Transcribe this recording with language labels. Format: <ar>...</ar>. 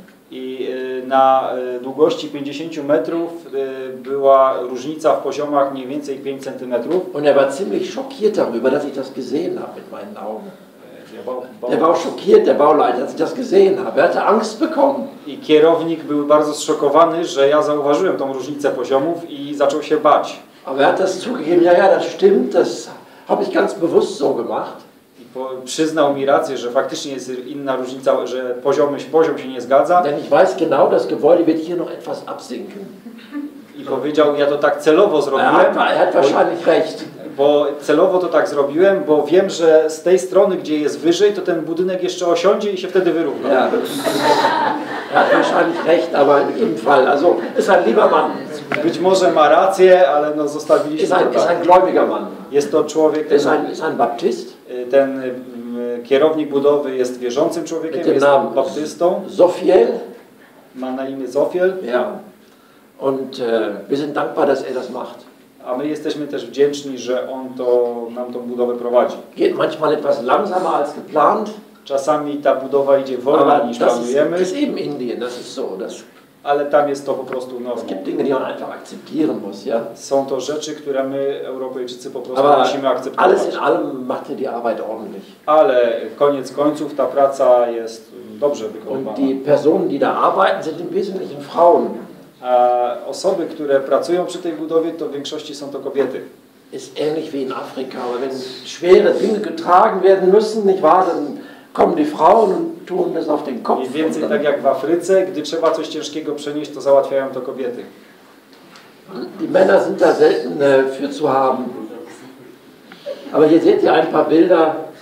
<pl>I na długości 50 metrów była różnica w poziomach mniej więcej 5 cm.</pl> <de>Und er war ziemlich schockiert darüber, dass ich das gesehen habe mit meinen Augen. Der Bauleiter, als ich das gesehen habe, hatte Angst bekommen.</de> <pl>I kierownik był bardzo zszokowany, że ja zauważyłem tą różnicę poziomów i zaczął się bać.</pl> <de>Aber er hat das zugegeben, ja, das stimmt, das habe ich ganz bewusst so gemacht.</de> <pl>I przyznał mi rację, że faktycznie jest inna różnica, że poziom się nie zgadza.</pl> <de>Denn ich weiß genau, das Gebäude wird hier noch etwas absinken.</de> <pl>I powiedział, ja to tak celowo zrobiłem.</pl> <de>Er hat wahrscheinlich recht.</de> <pl>Bo celowo to tak zrobiłem, bo wiem, że z tej strony, gdzie jest wyżej, to ten budynek jeszcze osiądzie i się wtedy wyrówna.</pl> <de>Ja, hat wahrscheinlich recht, aber in jedem Fall. Also, ist ein lieber Mann.</de> <pl>Być może ma rację, ale no zostawiliśmy to tak.</pl> <de>Ist ein gläubiger Mann.</de> <pl>Jest to człowiek, ten,</pl> <de>ist ein Baptist.</de> <pl>Ten kierownik budowy jest wierzącym człowiekiem, jest baptystą.</pl> <de>Zofiel.</de> <pl>Ma na imię Zofiel.</pl> <de>Ja. Und wir sind dankbar, dass er das macht.</de> <pl>A my jesteśmy też wdzięczni, że on to nam tą budowę prowadzi.</pl> <de>Geht manchmal etwas langsamer als geplant.</de> <pl>Czasami ta budowa idzie wolniej niż planujemy.</pl> <de>Das ist eben Indien, das ist so.</de> <pl>Ale tam jest to po prostu normą.</pl> <de>Es gibt Dinge, die man einfach akzeptieren muss, ja?</de> <pl>Są to rzeczy, które my, Europejczycy, po prostu musimy akceptować.</pl> <de>Alles in allem macht ihr die Arbeit ordentlich.</de> <pl>Ale koniec końców ta praca jest dobrze wykonywana.</pl> <de>Und die Personen, die da arbeiten, sind im Wesentlichen Frauen.</de> <pl>A osoby, które pracują przy tej budowie, to w większości są to kobiety.</pl> <de>Ist ähnlich wie in Afrika, aber wenn schwere Dinge getragen werden müssen, nicht wahr, dann kommen die Frauen und tun das auf den Kopf.</de> <pl>Mniej więcej tak jak w Afryce, gdy trzeba coś ciężkiego przenieść, to załatwiają to kobiety.</pl> <de>Die Männer sind da selten für zu haben. Aber hier seht ihr ein paar Bilder.</de>